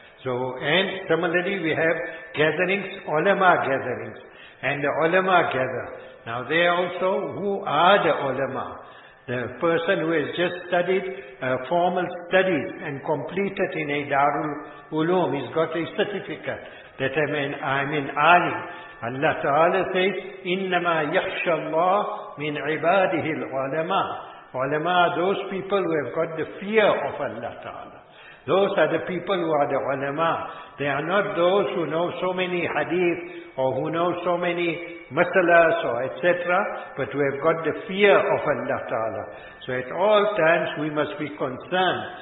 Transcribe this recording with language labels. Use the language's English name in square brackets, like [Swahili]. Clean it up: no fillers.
[English] So, and similarly we have gatherings, ulama gatherings. And the ulama gather. Now they also, who are the ulama? The person who has just studied formal studies and completed in a Darul Uloom, he's got a certificate that I'm in alim. Allah Ta'ala says, [Arabic] إِنَّمَا يَخْشَ اللَّهِ مِنْ عِبَادِهِ الْعُلَمَا. [English] Ulama are those people who have got the fear of Allah Ta'ala. Those are the people who are the ulama. They are not those who know so many hadith or who know so many masalas or etc. But who have got the fear of Allah Ta'ala. So at all times we must be concerned.